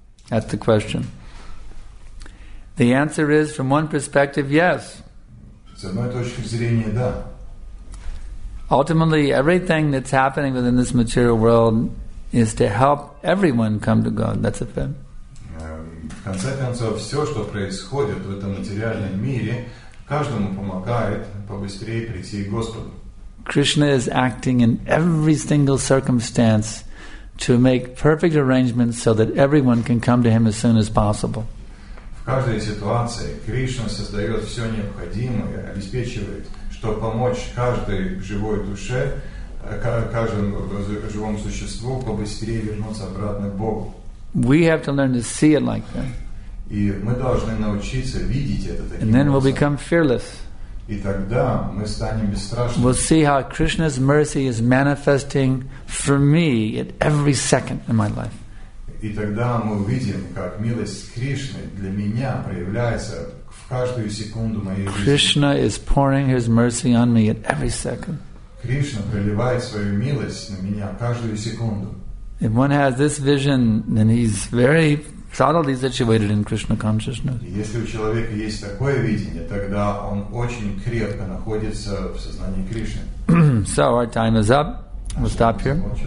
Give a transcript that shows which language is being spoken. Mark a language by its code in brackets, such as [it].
[en] That's the question. The answer is, from one perspective, yes. [ru] С одной точки зрения, да. [en] Ultimately, everything that's happening within this material world is to help everyone come to God. That's a fact. [ru] В конце концов, все, что происходит в этом материальном мире, каждому помогает побыстрее прийти к Господу. [en] Krishna is acting in every single circumstance to make perfect arrangements so that everyone can come to Him as soon as possible. [ru] В каждой ситуации Кришна создает все необходимое, обеспечивает, чтобы помочь каждой живой душе, каждому живому существу побыстрее вернуться обратно к Богу. [en] We have to learn to see it like that. [ru] И мы должны научиться видеть это таким [en] And then we'll become fearless. [ru] И тогда мы станем бесстрашными. [en] We'll see how Krishna's mercy is manifesting for me at every second in my life. [ru] И тогда мы увидим, как милость Кришны для меня проявляется в каждую секунду моей жизни. [en] Krishna is pouring His mercy on me at every second. [ru] Кришна проливает свою милость на меня каждую секунду. [en] If one has this vision, then he's very solidly situated in Krishna consciousness. [ru] Если у человека есть такое видение, тогда он очень крепко находится в сознании Кришны. [en] So our time is up. We'll stop here.